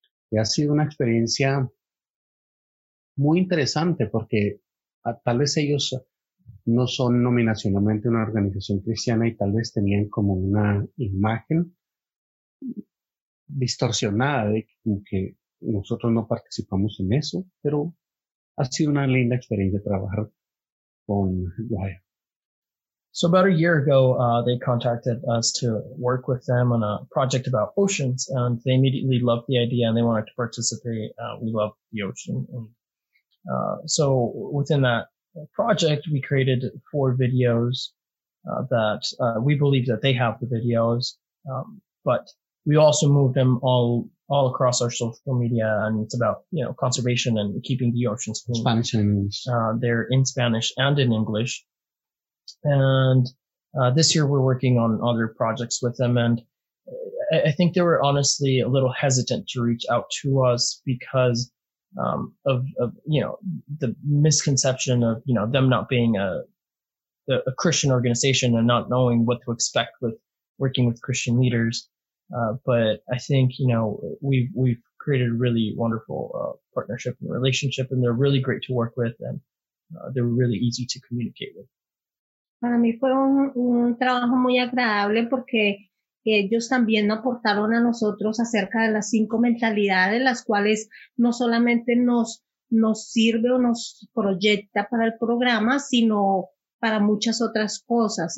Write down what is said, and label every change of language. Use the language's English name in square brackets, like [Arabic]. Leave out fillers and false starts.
[Spanish] Y ha sido una experiencia muy interesante porque tal vez ellos no son nominacionalmente una organización cristiana y tal vez tenían como una imagen distorsionada de que nosotros no participamos en eso, pero ha sido una linda experiencia trabajar con Guaya. [English] So about a year ago, they contacted us to work with them on a project about oceans, and they immediately loved the idea and they wanted to participate. We love the ocean. So within that project, we created four videos that we believe that they have the videos, but we also moved them all across our social media, and it's about, you know, conservation and keeping the oceans clean. Spanish and English. They're in Spanish and in English. And this year we're working on other projects with them, and I think they were honestly a little hesitant to reach out to us because of you know, the misconception of, you know, them not being a Christian organization and not knowing what to expect with working with Christian leaders. But I think, you know, we've created a really wonderful partnership and relationship, and they're really great to work with, and they're really easy to communicate with. [Spanish] Para mí fue un trabajo muy agradable porque ellos también aportaron a nosotros acerca de las cinco mentalidades, las cuales no solamente nos sirve o nos proyecta para el programa, sino para muchas otras cosas.